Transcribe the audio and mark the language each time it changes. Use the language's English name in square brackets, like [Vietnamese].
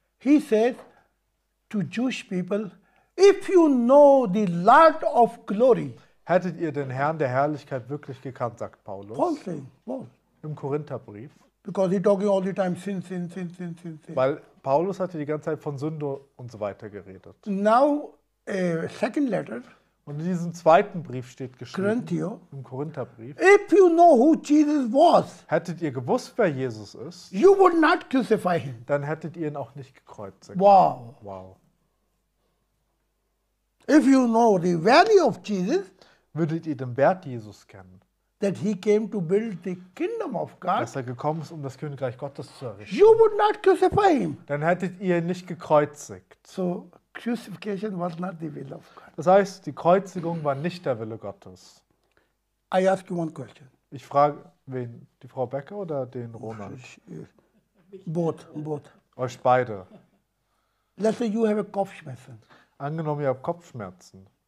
[English] He said to Jewish people, if you know the Lord of glory, [German] hättet ihr den Herrn der Herrlichkeit wirklich gekannt, sagt Paulus. [English] Paul saying, Paul. [German] Im Korintherbrief. [English] Because he talking all the time sin. [German] Weil Paulus hatte die ganze Zeit von Sünde und so weiter geredet. [English] Now a second letter. [German] Und in diesem zweiten Brief steht geschrieben. [English] Corinthians. [German] Im Korintherbrief. [English] If you know who Jesus was, [German] hättet ihr gewusst, wer Jesus ist, [English] you would not crucify him. [German] Dann hättet ihr ihn auch nicht gekreuzigt. [English] Wow. [German] Wow. [English] If you know the value of Jesus, [German] würdet ihr den Wert Jesus kennen, [English] that he came to build the kingdom of God, [German] dass er gekommen ist, um das Königreich Gottes zu errichten, [English] you would not crucify him. [German] Dann hättet ihr ihn nicht gekreuzigt. [English] So, crucifixion was not the will of God. [German] Das heißt, die Kreuzigung war nicht der Wille Gottes. [English] I ask you one question. [German] Ich frage wen, die Frau Becker oder den Roman? [English] Both. [German] Euch beide. [English] Let's say you have a Kopfschmerzen. [German] Angenommen, ihr habt Kopfschmerzen.